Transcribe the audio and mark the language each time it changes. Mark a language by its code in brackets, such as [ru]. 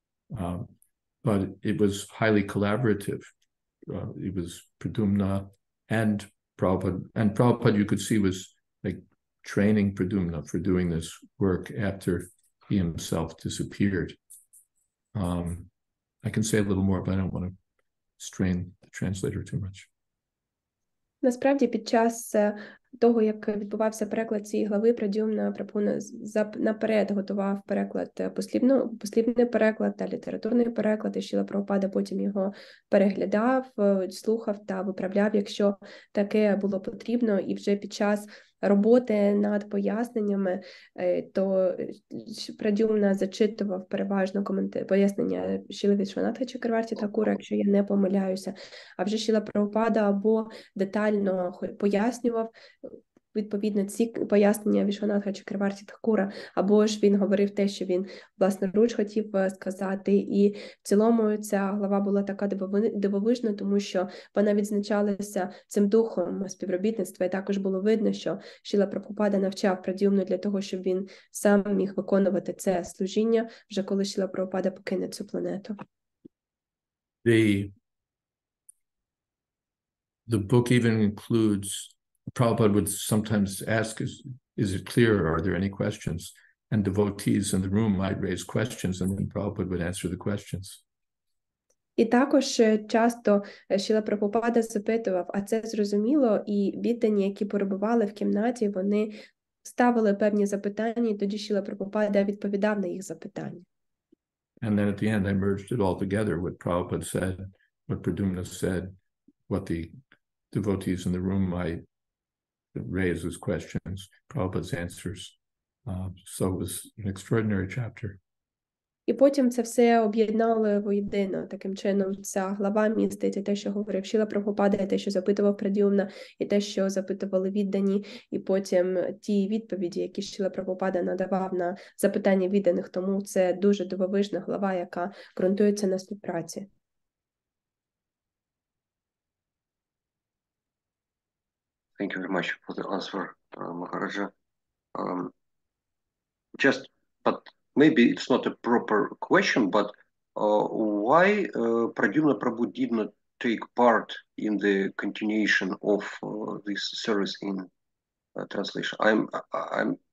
[en] But it was highly collaborative. It was Pradyumna and Prabhupada. And Prabhupada, you could see, was like training Pradyumna for doing this work after he himself disappeared. I can say a little more, but I don't want to strain the translator too much. [uk] Насправді, під час того, як відбувався переклад цієї глави, Прадюмна Прабху наперед готував переклад послівний переклад та літературний переклад, і Шіла Прабхупада потім його переглядав, слухав та виправляв, якщо таке було потрібно. І вже під час роботи над поясненнями, то Прадюмна зачитував переважно пояснення Шіли Вішванатха Чакраварті Такура, якщо я не помиляюся. А вже Шіла Прабхупада або детально пояснював відповідно ці пояснення Вішванатха Чакраварті Такура, або ж він говорив те, що він власноруч хотів сказати. І в цілому ця глава була така дивовижна, тому що вона відзначалася цим духом співробітництва. І також було видно, що Шіла Прабхупада навчав Прадюмну для того, щоб він сам міг виконувати це служіння, вже коли Шіла Прабхупада покине цю планету. [en] The book even includes, Prabhupada would sometimes ask, is it clear? Are there any questions? And devotees in the room might raise questions, and then Prabhupada would answer the questions. [uk] І також часто Шіла Прабхупада запитував, а це зрозуміло? І віддані, які перебували в кімнаті, вони ставили певні запитання, і тоді Шіла Прабхупада відповідав на їх запитання. [en] And then at the end, I merged it all together, what Prabhupada said, what Pradyumna said, what the devotees in the room might raise as questions, Prabhupada's answers. So it was an extraordinary chapter. [uk] І потім це все об'єднало воєдино. Таким чином, ця глава містить те, що говорив Шіла Прабхупада, те, що запитував Прадюмна, і те, що запитували віддані, і потім ті відповіді, які Шіла Прабхупада надавав на запитання відданих. Тому це дуже дивовижна глава, яка ґрунтується на співпраці. [en] Thank you very much for the answer, Maharaja. But maybe it's not a proper question, but why Pradyumna Prabhu did not take part in the continuation of this service in translation? I'm